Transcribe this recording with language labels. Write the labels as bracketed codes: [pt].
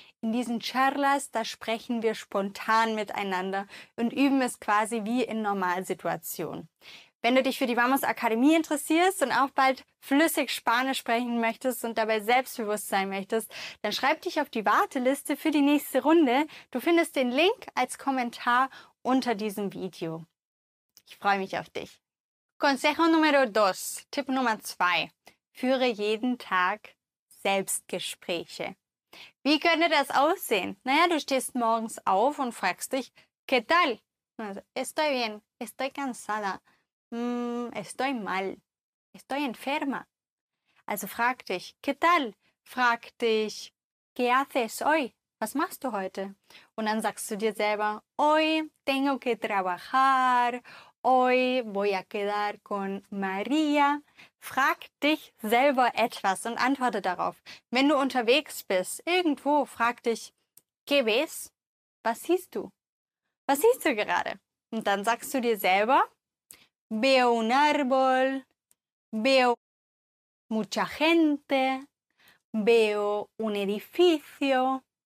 [de] In diesen Charlas, da sprechen wir spontan miteinander und üben es quasi wie in Normalsituationen. Wenn du dich für die Vamos Akademie interessierst und auch bald flüssig Spanisch sprechen möchtest und dabei selbstbewusst sein möchtest, dann schreib dich auf die Warteliste für die nächste Runde. Du findest den Link als Kommentar unter diesem Video. Ich freue mich auf dich. [es] Consejo número dos, [de] Tipp Nummer 2. Führe jeden Tag Selbstgespräche. Wie könnte das aussehen? Naja, du stehst morgens auf und fragst dich, [es] ¿qué tal? Estoy bien, estoy cansada. Estoy mal, estoy enferma. [de] Also frag dich, [es] ¿qué tal? [de] Frag dich, [es] ¿qué haces hoy? [de] Was machst du heute? Und dann sagst du dir selber, [es] hoy tengo que trabajar, hoy voy a quedar con María. [de] Frag dich selber etwas und antworte darauf. Wenn du unterwegs bist, irgendwo, frag dich, [es] ¿qué ves? [de] Was siehst du? Was siehst du gerade? Und dann sagst du dir selber, [es] veo un árbol, veo mucha gente, veo un edificio.